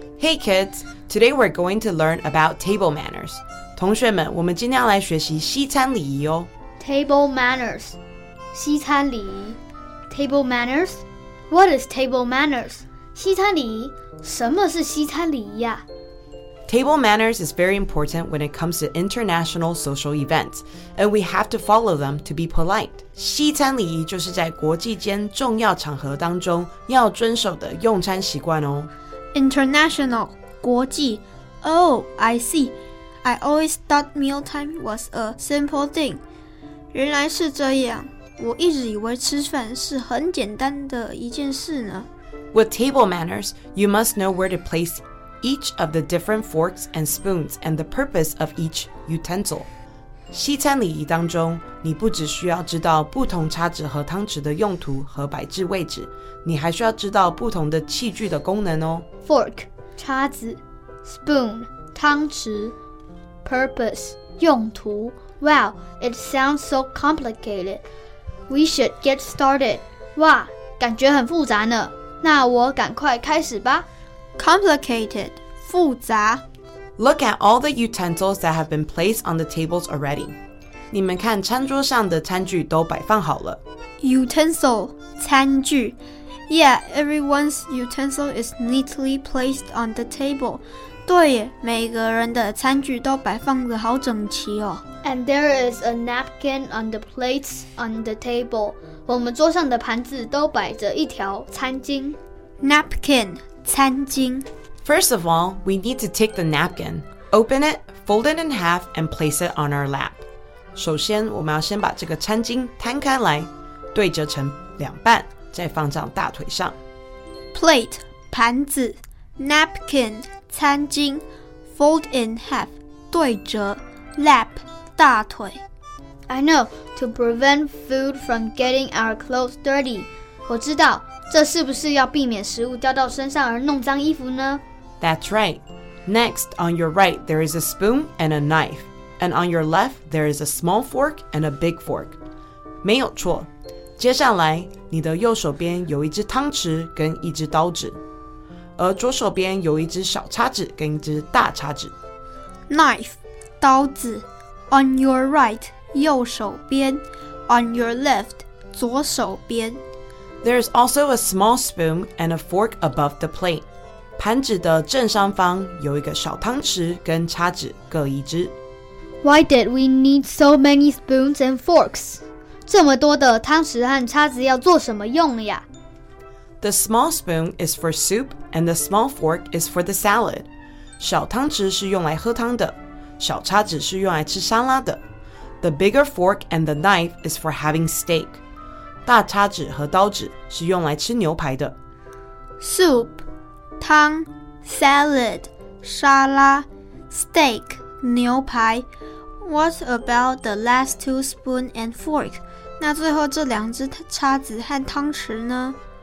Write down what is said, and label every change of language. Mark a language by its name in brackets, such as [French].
[English] Hey kids, today we're going to learn about table manners. [Chinese] 同学们，我们今天要来学习西餐礼仪哦。 [English] Table manners， 西餐礼仪。Table manners， what is table manners？ [Chinese] 西餐礼仪，什么是西餐礼仪呀？ [English] Table manners is very important when it comes to international social events, and we have to follow them to be polite. [Chinese] 西餐礼仪就是在国际间重要场合当中要遵守的用餐习惯哦。 [English] International, 国际。Oh, I see. I always thought mealtime was a simple thing. [Chinese] 原来是这样，我一直以为吃饭是很简单的一件事呢。 [English] With table manners, you must know where to place each of the different forks and spoons and the purpose of each utensil. [Chinese] 西餐礼仪当中，你不只需要知道不同叉子和汤匙的用途和摆置位置，你还需要知道不同的器具的功能哦。 [English] Fork, 叉子 Spoon, 汤匙 Purpose, 用途 Wow, it sounds so complicated. We should get started. [Chinese] 哇，感觉很复杂呢。那我赶快开始吧。 [English] Complicated, 复杂。 Look at all the utensils that have been placed on the tables already. [Chinese] 你们看餐桌上的餐具都摆放好了。 [English] Utensil, 餐具。 Yeah, everyone's utensil is neatly placed on the table. [Chinese] 对耶，每个人的餐具都摆放得好整齐哦。 [English] And there is a napkin on the plates on the table. [Chinese] 我们桌上的盘子都摆着一条餐巾。 [English] Napkin. 餐巾。 First of all, we need to take the napkin, open it, fold it in half, and place it on our lap. [Chinese] 首先，我们要先把这个餐巾摊开来，对折成两半，再放上大腿上。 [English] Plate, 盘子 Napkin, 餐巾 Fold in half, 对折 Lap, 大腿 I know, to prevent food from getting our clothes dirty. [Chinese] 我知道这是不是要避免食物掉到身上而弄脏衣服呢? [English] That's right. Next, on your right, there is a spoon and a knife. And on your left, there is a small fork and a big fork. [Chinese] 没有错。接下来，你的右手边有一只汤匙跟一只刀子。而左手边有一只小叉子跟一只大叉子。 [English] Knife, 刀子。On your right, 右手边。 On your left, 左手边。 There's also a small spoon and a fork above the plate. [Chinese] 盘子的正上方有一个小汤匙跟叉子各一只。 [English] Why did we need so many spoons and forks? [Chinese] 这么多的汤匙和叉子要做什么用呀? [English] The small spoon is for soup and the small fork is for the salad. [Chinese] 小汤匙是用来喝汤的,小叉子是用来吃沙拉的。 [English] The bigger fork and the knife is for having steak. [Chinese] 大叉子和刀子是用来吃牛排的。 [English] Soup, 汤 salad, 沙拉 steak, 牛排 What about the last two spoon and fork? [Chinese] 那最后这两只叉子和汤匙呢?